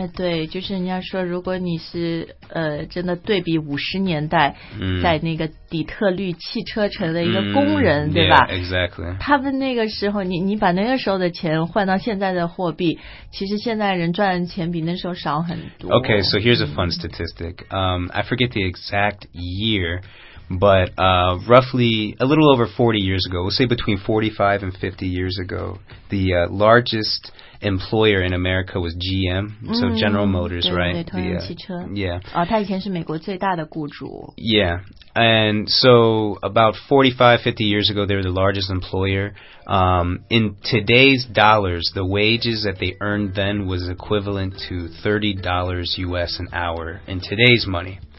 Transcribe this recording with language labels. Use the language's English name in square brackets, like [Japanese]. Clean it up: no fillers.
[Chinese] 对就是人家说如果你是真的对比50年代、 mm. 在那个底特律汽车城的一个工人、mm. 对吧 [English] yeah, exactly. [Chinese] 他们那个时候你把那个时候的钱换到现在的货币其实现在人赚的钱比那时候少很多。 [English] Okay, so here's a fun statistic.、Mm. I forget the exact year, but roughly a little over 40 years ago, we'll say between 45 and 50 years ago,the largest employer in America was GM,、 mm, so General Motors, [Chinese] 对 [English] right? [Chinese] 对对 Toyota 汽车 [English] Yeah. [Chinese] 它以前是美国最大的雇主 [English] Yeah. And so about 45, 50 years ago, they were the largest employer.、in today's dollars, the wages that they earned then was equivalent to $30 US an hour in today's money.